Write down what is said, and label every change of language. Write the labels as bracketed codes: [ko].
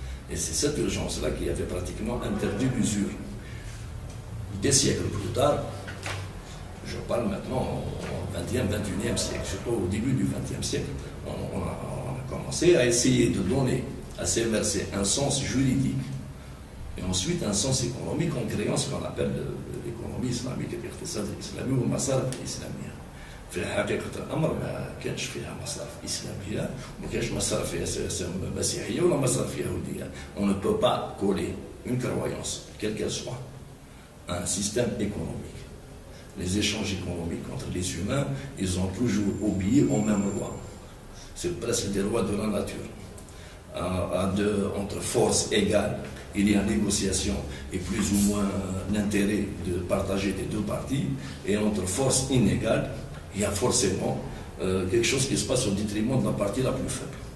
[fr] Et c'est cette urgence-là qui avait pratiquement interdit l'usure. Des siècles plus tard, je parle maintenant au 20e, 21e siècle, surtout au début du 20e siècle, on a commencé à essayer de donner à ces versets un sens juridique et ensuite un sens économique en créant ce qu'on appelle l'économie islamique, l'iqtisad islamique ou masarif islamique. [ar] في حقيقة الأمر ما كانش فيها مصارف إسلامية ما كانش مصارف مسيحية ولا مصارف يهودية [fr] on ne peut pas coller une croyance quelle qu'elle soit à un système économique. Les échanges économiques entre les humains, ils ont toujours obéi aux mêmes lois. C'est presque des lois de la nature. Entre forces égales, il y a négociation et plus ou moins l'intérêt de partager des deux parties, et entre forces inégales, il y a forcément quelque chose qui se passe au détriment de la partie la plus faible.